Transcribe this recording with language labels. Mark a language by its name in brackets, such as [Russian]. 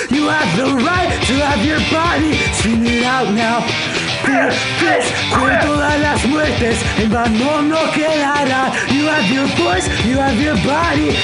[English] You have the right to have your body. Scream it out now. [Spanish] Cuento todas las muertes, en vano no quedará. [English] You have your voice, you have your body.